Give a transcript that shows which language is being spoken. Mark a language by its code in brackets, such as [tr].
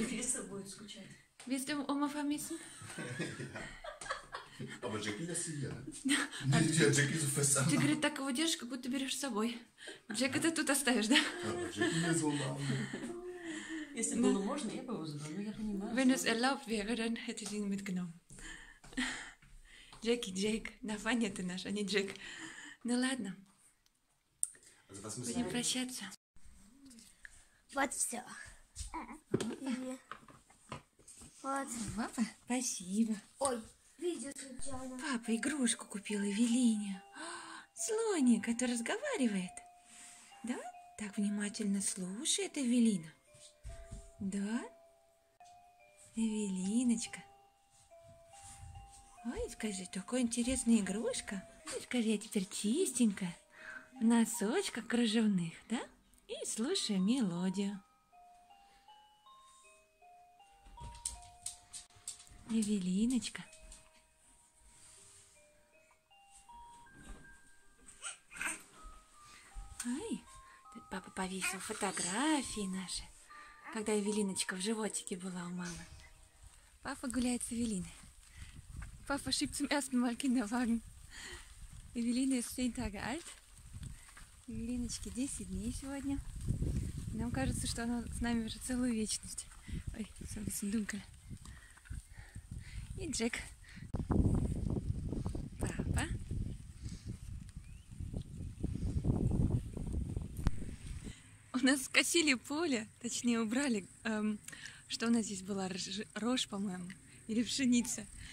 [ru] И Криса будет скучать. Вестем Ума Фамисен? А вот Джек не сидит. Джек из Уфеса. Ты, говорит, так его держишь, как будто берешь с собой. Джека ты тут оставишь, да? Джек не звонал. Если было можно, я бы его забрала, но я понимаю. [de] Wenn es erlaubt wäre, dann hätte ich ihn mitgenommen. [ru] Джеки, Джейк, Нафаня ты наш, а не Джек. Ну ладно. Будем прощаться. Вот все. Вот. Папа, спасибо. Ой, видео случайно. Папа игрушку купил Эвелине. Слоник, это разговаривает. Да? Так внимательно слушает Эвелина. Да? Эвелиночка. Ой, скажи, такая интересная игрушка. Скажи, я теперь чистенькая. В носочках кружевных, да? И слушаем мелодию. Эвелиночка. Ай, тут папа повесил фотографии наши, когда Эвелиночка в животике была у мамы. Папа гуляет с Эвелиной. [de] Папа schiebt zum ersten Mal Kinderwagen. Эвелина ist 10 Tage alt. [ru] Эвелиночке 10 дней сегодня. Нам кажется, что она с нами уже целую вечность. Ой, совсем думка. И Джек. Папа. У нас скосили поле, точнее убрали. Что у нас здесь была? Рожь, по-моему. Или пшеница.